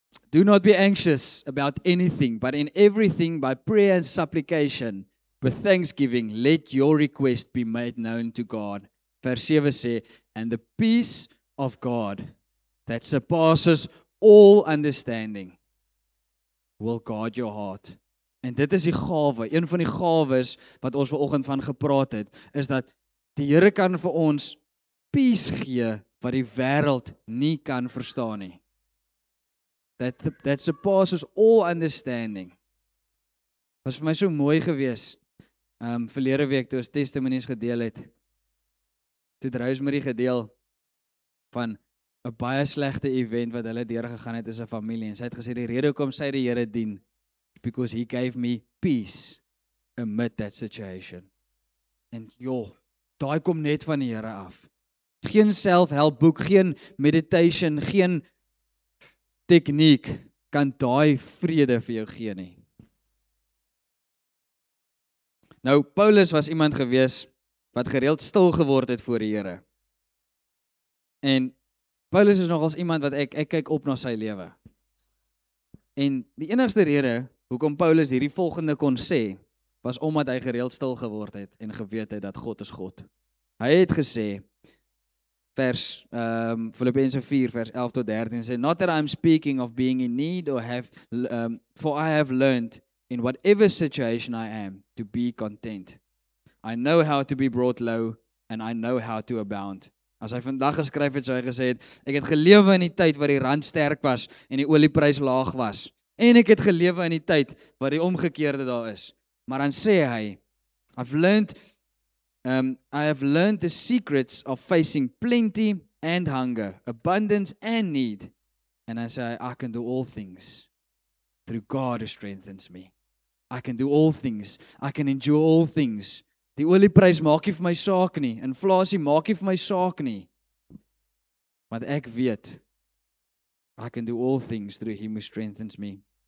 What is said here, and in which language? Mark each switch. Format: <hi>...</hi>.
<en>Do not be anxious about anything, but in everything by prayer and supplication, with thanksgiving, let your request be made known to God. Verse 7 says, and the peace of God that surpasses all understanding will guard your heart. And</en> <af>dit is die gawe, een van die gawes wat ons vanoggend van gepraat het, is dat die Here kan vir ons peace gee wat die wêreld nie kan verstaan nie. That surpasses all understanding. Was vir my so mooi gewees. Verlede week toe ons testimonies gedeel het, toe het Rosemary gedeel van 'n baie slegte event wat hulle deurgegaan het as 'n familie, en sy het gesê die rede hoekom sy die Here dien,</af> <en>because he gave me peace amid that situation.</en> <af>En joh, daai kom net van die Here af. Geen self-help boek, geen meditation, geen tegniek kan daai vrede vir jou gee nie. Nou, Paulus was iemand gewees wat gereeld stil geword het voor die Here. En Paulus is nogals iemand wat ek kyk op na sy lewe. En die enigste rede hoekom Paulus hierdie volgende kon sê, was omdat hy gereeld stil geword het en geweet het dat God is God. Hy het gesê, Filippense 4 vers 11 tot 13 sê,</af> <en>not that I'm speaking of being in need or have, for I have learned in whatever situation I am to be content. I know how to be brought low and I know how to abound.</en> <af>As hy vandag geskryf het, so hy gesê het, ek het gelewe in die tyd waar die rand sterk was en die olieprys laag was. En ek het gelewe in die tyd waar die omgekeerde daar is. Maar dan sê hy,</af> <en>I have learned the secrets of facing plenty and hunger, abundance and need. And I say, I can do all things through God who strengthens me. I can do all things. I can endure all things.</en> <af>Die olieprys maak nie vir my saak nie. Inflasie maak nie vir my saak nie. Want ek weet,</af> <en>I can do all things through him who strengthens me.</en>